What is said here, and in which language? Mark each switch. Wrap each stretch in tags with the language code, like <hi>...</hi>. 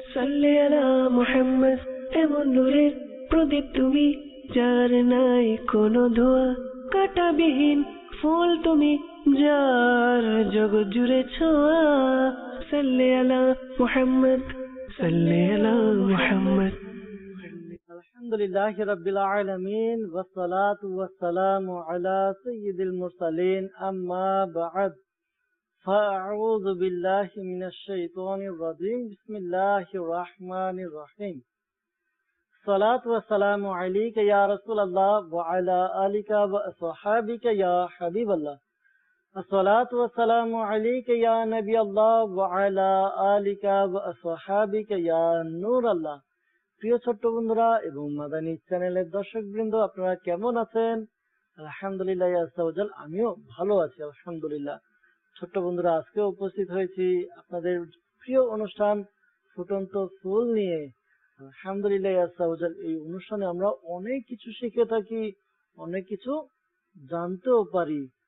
<ar>সল্লি আলা মুহাম্মদ,</ar> <bn>এমন নূরের প্রদীপ তুমি, যার নাই কোন ধোয়া কাঁটাবিহীন ফুল তুমি, যার জগৎ জুড়ে ছোঁয়া।</bn> <ar>সল্লি আলা মুহাম্মদ, সল্লি আলা মুহাম্মদ। আলহামদুলিল্লাহি রাব্বিল আলামিন, ওয়াসসালাতু ওয়াসসালামু আলা সাইয়্যিদিল মুরসালিন, আম্মা বা'দ। فأعوذ بالله من الشيطان الرجيم، بسم الله الرحمن الرحيم، صلاة والسلام عليك يا رسول الله وعلى آلك وأصحابك يا حبيب الله، صلاة والسلام عليك يا نبي الله وعلى آلك وأصحابك يا نور الله.</ar> <bn>প্রিয় ছোট বন্ধুরা এবং মাদানী চ্যানেলের দর্শক বৃন্দ, আপনারা কেমন আছেন? আলহামদুলিল্লাহ আজ্জাওজাল, আমিও ভালো আছি আলহামদুলিল্লাহ। ছোট্ট বন্ধুরা, আজকে উপস্থিত হয়েছি আপনাদের প্রিয় অনুষ্ঠান ফুটন্ত ফুল নিয়ে। আলহামদুলিল্লাহ, এই অনুষ্ঠানে আমরা অনেক কিছু শিখে থাকি, অনেক কিছু জানতেও পারি।</bn>